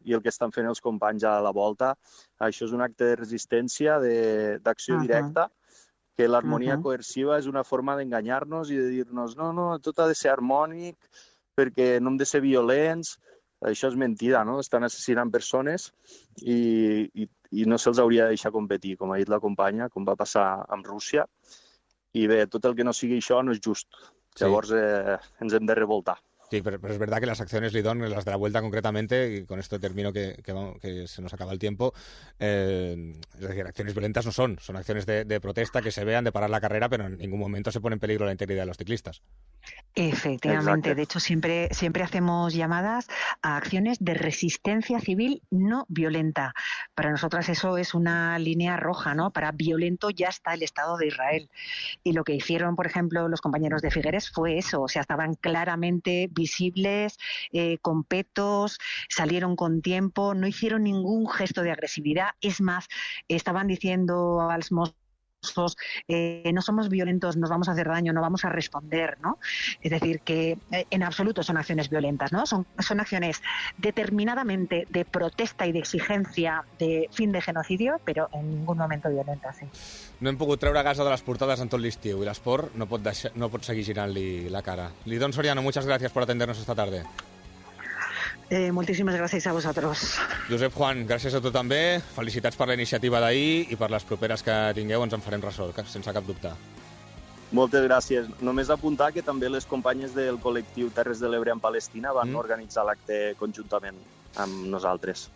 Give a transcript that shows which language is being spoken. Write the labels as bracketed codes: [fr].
[ca] I el que estan fent els companys a la volta, això és un acte de resistència, d'acció directa, que l'harmonia coerciva és una forma d'enganyar-nos i de dir-nos no, tot ha de ser harmònic perquè no hem de ser violents. Això és mentida, no? Estan assassinant persones i no se'ls hauria de deixar competir, com ha dit la companya, com va passar amb Rússia. I bé, tot el que no sigui això no és just. Llavors ens hem de revoltar. [es] Sí, pero es verdad que las acciones Lidón, las de la vuelta concretamente, y con esto termino que se nos acaba el tiempo, es decir, acciones violentas no son, son acciones de protesta que se vean, de parar la carrera, pero en ningún momento se pone en peligro la integridad de los ciclistas. Efectivamente, exacto. De hecho siempre hacemos llamadas a acciones de resistencia civil no violenta. Para nosotras eso es una línea roja, ¿no? Para violento ya está el Estado de Israel. Y lo que hicieron, por ejemplo, los compañeros de Figueres fue eso, o sea, estaban claramente visibles, con petos, salieron con tiempo, no hicieron ningún gesto de agresividad. Es más, estaban diciendo a los no somos violentos, nos vamos a hacer daño, no vamos a responder, ¿no? Es decir, que en absoluto son acciones violentas, ¿no? Son acciones determinadamente de protesta y de exigencia de fin de genocidio, pero en ningún momento violentas, sí. [ca] No hem pogut treure Gaza de les portades en tot l'estiu i l'esport no pot seguir girant-li la cara. [es] Lidón Soriano, muchas gracias por atendernos esta tarde. [ca] Moltíssimes gràcies a vosaltres. Josep Juan, gràcies a tu també. Felicitats per la iniciativa d'ahir i per les properes que tingueu, ens en farem ressò, sense cap dubte. Moltes gràcies. Només apuntar que també les companyes del col·lectiu Terres de l'Ebre en Palestina van organitzar l'acte conjuntament amb nosaltres.